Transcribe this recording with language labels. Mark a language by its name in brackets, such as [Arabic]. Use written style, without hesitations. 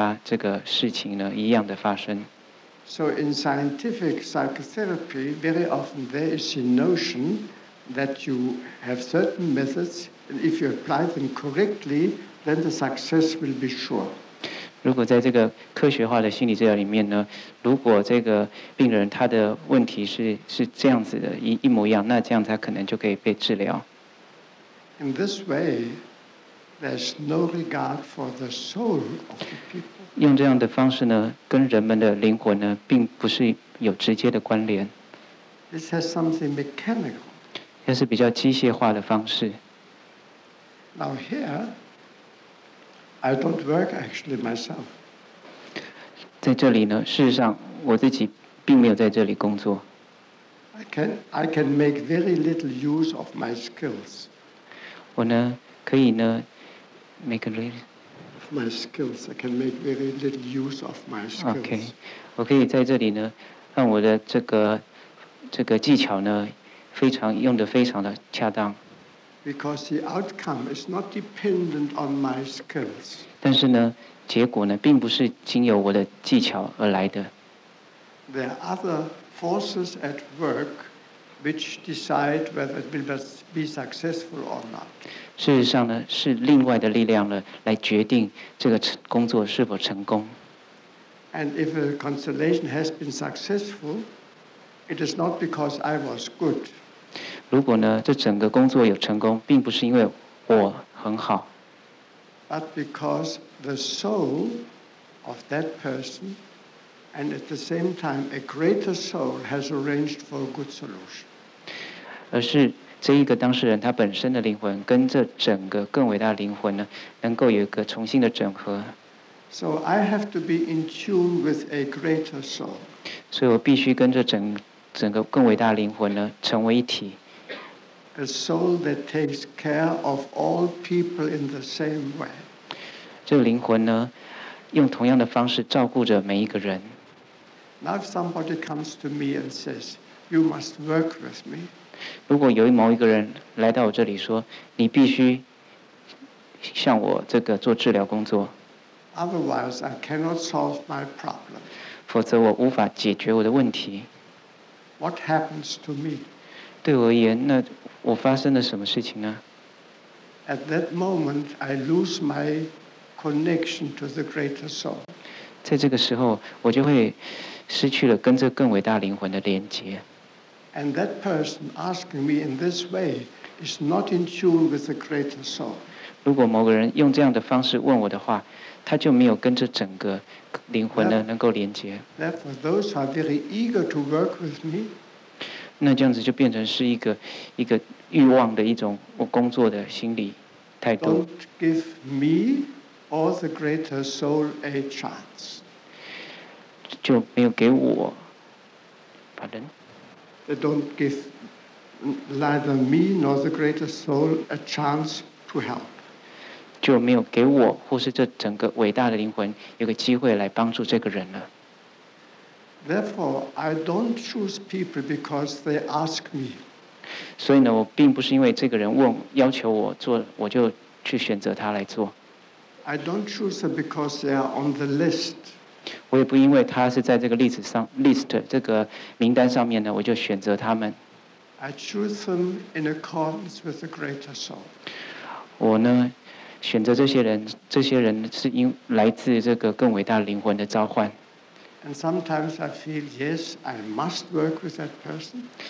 [Chinese] 就例如在心理治疗的一个实验里面呢，你没有办法重复的在同样的让它这个事情呢一样的发生。 [English] So in scientific psychotherapy, very often there is a notion that you have certain methods, and if you apply them correctly, then the success will be sure. [Chinese] 如果在这个科学化的心理治疗里面呢，如果这个病人他的问题是这样子的一模一样，那这样他可能就可以被治疗。 [English] In this way, there's no regard for the soul of the people. [Chinese] 用这样的方式呢，跟人们的灵魂呢，并不是有直接的关联。 [English] This has something mechanical. [Chinese] 这是比较机械化的方式。 [English] Now here. I don't work actually myself. [Chinese] 在这里呢，事实上我自己并没有在这里工作。 [English] I can make very little use of my skills. [Chinese] 我呢，可以呢 ， [English] make a little of my skills. I can make very little use of my skills. Okay, [Chinese] 我可以在这里呢，让我的这个技巧呢，非常用得非常的恰当。 [English] Because the outcome is not dependent on my skills. [Chinese] 但是呢，结果呢，并不是经由我的技巧而来的。 [English] There are other forces at work, which decide whether it will be successful or not. [Chinese] 事实上呢，是另外的力量呢，来决定这个工作是否成功。 [English] And if a constellation has been successful, it is not because I was good. [Chinese] 如果呢，这整个工作有成功，并不是因为我很好。 [English] But because the soul of that person, and at the same time a greater soul, has arranged for a good solution. [Chinese] 而是这一个当事人他本身的灵魂，跟这整个更伟大的灵魂呢，能够有一个重新的整合。 [English] So I have to be in tune with a greater soul. [Chinese] 所以我必须跟这整个更伟大的灵魂呢，成为一体。 [English] A soul that takes care of all people in the same way. [Chinese] 这个灵魂呢，用同样的方式照顾着每一个人。 [English] Now if somebody comes to me and says, "You must work with me." [Chinese] 如果有某一个人来到我这里说，你必须向我这个做治疗工作。 [English] Otherwise, I cannot solve my problem. [Chinese] 否则我无法解决我的问题。 [English] What happens to me? [Chinese] 对我而言，那我发生了什么事情呢 [English] ？At that moment, I lose my connection to the greater soul. [Chinese] 在这个时候，我就会失去了跟这更伟大灵魂的连接。 [English] And that person asking me in this way is not in tune with the greater soul. [Chinese] 如果某个人用这样的方式问我的话，他就没有跟这整个灵魂呢能够连接。 [English] Therefore, those are very eager to work with me. [Chinese] 那这样子就变成是一个欲望的一种我工作的心理态度。 [English] Don't give me or the greater soul a chance. [Chinese] 就没有给我 ， [English] pardon. They don't give neither me nor the greater soul a chance to help. [Chinese] 就没有给我或是这整个伟大的灵魂有个机会来帮助这个人了。 [English] Therefore, I don't choose people because they ask me. [Chinese] 所以呢，我并不是因为这个人问要求我做，我就去选择他来做。 [English] I don't choose them because they are on the list. [Chinese] 我也不因为他是在这个list 这个名单上面呢，我就选择他们。 [English] I choose them in accordance with the greater soul. [Chinese] 我呢？选择这些人是因来自这个更伟大灵魂的召唤。 [English] And sometimes I feel yes, I must work with that person.